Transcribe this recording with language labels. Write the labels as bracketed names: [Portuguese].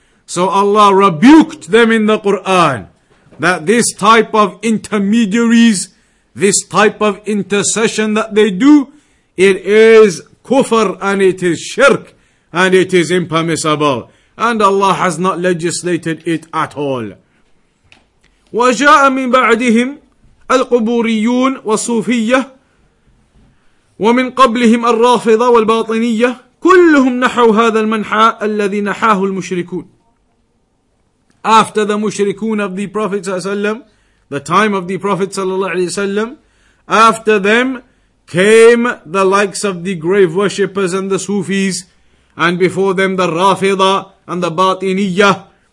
[English] So Allah rebuked them in the Qur'an that this type of intermediaries, this type of intercession that they do, it is kufr and it is shirk and it is impermissible. And Allah has not legislated it at all. [Arabic] وَجَاءَ مِنْ بَعْدِهِمْ القبوريون والصوفية ومن قبلهم الرافضة والباطنية كلهم نحوا هذا المنحى الذي نحاه المشركون. [English] After the mushrikun of the Prophet ﷺ, the time of the Prophet ﷺ, after them came the likes of the grave worshippers and the Sufis, and before them the Rafida and the Batiniyya.